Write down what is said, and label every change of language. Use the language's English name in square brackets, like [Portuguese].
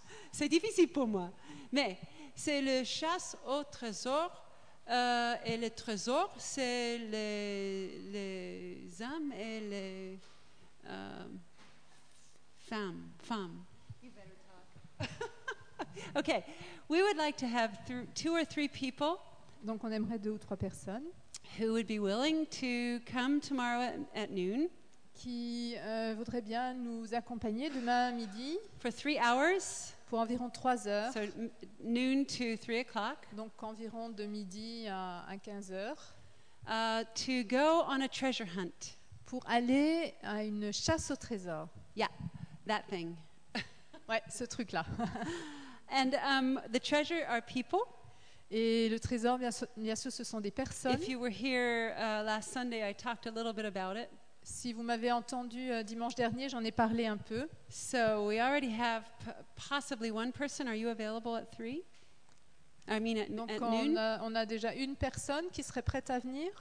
[French] C'est difficile pour moi, mais c'est le chasse au trésor, et le trésor, c'est les hommes et les femmes. [English] You better talk. Okay, we would like to have two or three people. [French] Donc on aimerait deux ou trois personnes. [English] Who would be willing to come tomorrow at noon. [French] Qui voudrait bien nous accompagner demain midi. [English] For 3 hours. [French] Pour environ 3 heures. [English] So noon to 3 o'clock. [French] Donc environ de midi à 15 heures. [English] To go on a treasure hunt. [French] Pour aller à une chasse au trésor. [English] Yeah, that thing. [French] Ouais, ce truc là. [English] And the treasure are people. [French] Et le trésor, bien sûr, ce sont des personnes. [English] If you were here last Sunday, I talked a little bit about it. [French] Si vous m'avez entendu dimanche dernier, j'en ai parlé un peu. [English] So we already have possibly one person. Are you available at 3? I mean at noon. [French] Donc on a déjà une personne qui serait prête à venir.